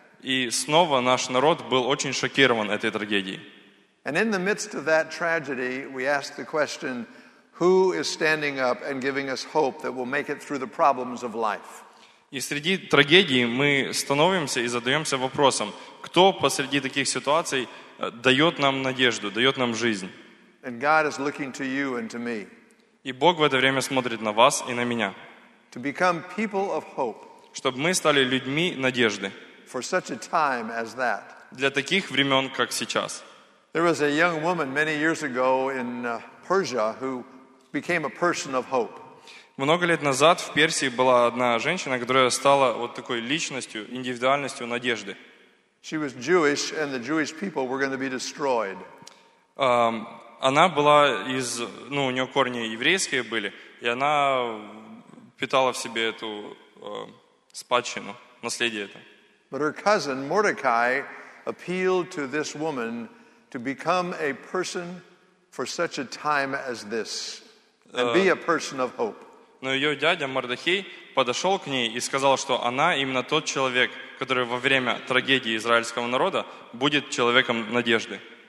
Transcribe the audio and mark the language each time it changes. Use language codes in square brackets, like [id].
[ru] И снова наш народ был очень шокирован этой трагедией. [en] And in the midst of that tragedy, we asked the question, who is standing up and giving us hope that we'll make it through the problems of life? [ru] И среди трагедии мы становимся и задаемся вопросом, кто посреди таких ситуаций дает нам надежду, дает нам жизнь. [en] And God is looking to you and to me. [ru] И Бог в это время смотрит на вас и на меня. [en] To become people of hope. [ru] Чтобы мы стали людьми надежды. [en] For such a time as that. [ru] Для таких времен, как сейчас. [en] There was a young woman many years ago in Persia who became a person of hope. [ru] Много лет назад в Персии была одна женщина, которая стала вот такой личностью, индивидуальностью надежды. [en] She was Jewish, and the Jewish people were going to be destroyed. [ru] Она была из, ну, у нее корни еврейские были, и она питала в себе эту спадщину, наследие это. [en] But her cousin Mordecai appealed to this woman to become a person for such a time as this and be a person of hope. [ru] Но ее дядя Мордехай подошел к ней и сказал, что она именно тот человек, который во время трагедии израильского народа будет человеком надежды.